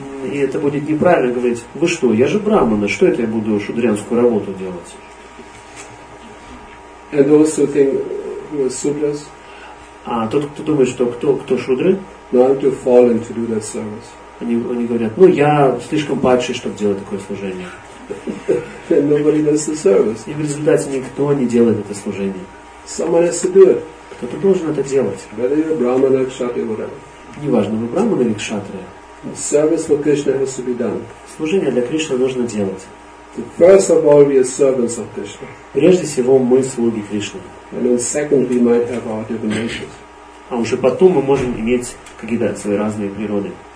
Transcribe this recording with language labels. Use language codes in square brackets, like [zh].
[ru] И это будет неправильно говорить, вы что, я же брахмана, что это я буду шудрянскую работу делать? [en] And also think, who are sudras? [ru] А тот, кто думает, что кто шудры? [en] No, I'm too fallen to do that service. [ru] Они говорят, ну я слишком падший, чтобы делать такое служение. [en] And nobody does the service. [ru] И в результате никто не делает это служение. [en] Someone has to do it. [ru] Кто-то должен это делать. [en] Whether you're brahmana, kshatriya, whatever. [ru] Неважно, вы брахманы или кшатрия. [en] Service for Krishna has to be done. [ru] Служение для Кришны нужно делать. [en] First of all, we are servants of Krishna. [ru] Прежде всего, мы слуги Кришны. [en] And then second, we might have our divinations. [ru] А уже потом мы можем иметь какие-то свои разные природы.